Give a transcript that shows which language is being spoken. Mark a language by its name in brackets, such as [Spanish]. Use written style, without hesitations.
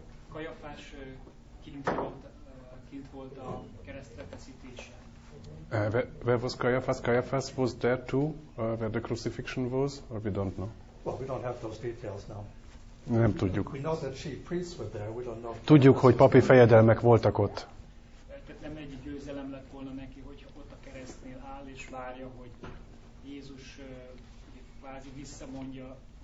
[Hungarian] Kajafás kint volt a keresztrefeszítésen. [English] Where was Caiaphas? Caiaphas was there too, where the crucifixion was, or we don't know? Well, we don't have those details now. [Hungarian] Nem tudjuk. [English] We know that chief priests were there, we don't know. [Hungarian] Tudjuk, hogy papi fejedelmek voltak ott. Tehát nem egy győzelem lett volna neki, hogyha ott a keresztnél áll és várja, hogy Jézus kvázi visszavonja.